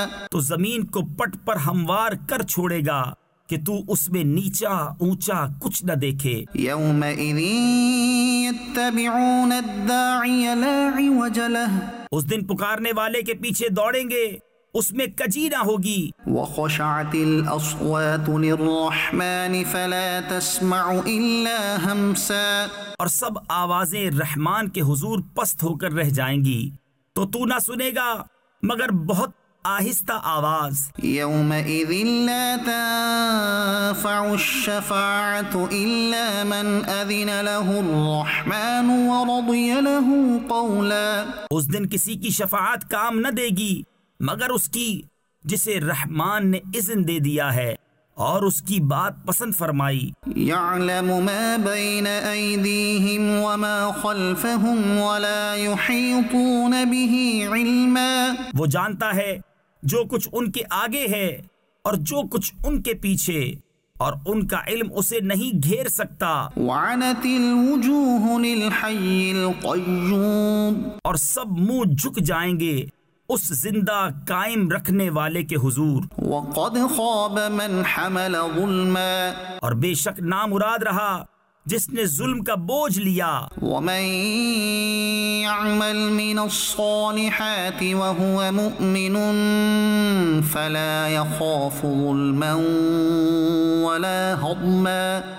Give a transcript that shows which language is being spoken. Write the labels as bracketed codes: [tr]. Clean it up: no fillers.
[ur] تو زمین کو پٹ پر ہموار کر چھوڑے گا کہ تو اس میں نیچا اونچا کچھ نہ دیکھے [ar] یومئذ یتبعون الداعی لا عوج له [ur] اس دن پکارنے والے کے پیچھے دوڑیں گے اس میں کجی نہ ہوگی [ar] وخشعت الاصوات للرحمن فلا تسمع الا همسا [ur] اور سب آوازیں رحمان کے حضور پست ہو کر رہ جائیں گی تو نہ سنے گا مگر بہت آہستہ آواز [ar] یومئذ لا تنفع الشفاعة الا من اذن له الرحمن ورضي له قولا [ur] اس دن کسی کی شفاعت کام نہ دے گی مگر اس کی جسے رحمان نے اذن دے دیا ہے اور اس کی بات پسند فرمائی [ar] يعلم ما بين ايديهم وما خلفهم ولا يحيطون به علما [ur] وہ جانتا ہے جو کچھ ان کے آگے ہے اور جو کچھ ان کے پیچھے اور ان کا علم اسے نہیں گھیر سکتا [ar] وعنت الوجوه للحي القيوم [ur] اور سب منہ جھک جائیں گے اس زندہ قائم رکھنے والے کے حضور۔ [ar] وَقَدْ خَابَ مَنْ حَمَلَ ظُلْمًا، [ur] اور بے شک نامراد رہا جس نے ظلم کا بوجھ لیا۔ [ar] وَمَنْ يَعْمَلْ مِنَ الصَّالِحَاتِ وَهُوَ مُؤْمِنٌ فَلَا يَخَافُ ظُلْمًا وَلَا هَضْمًا،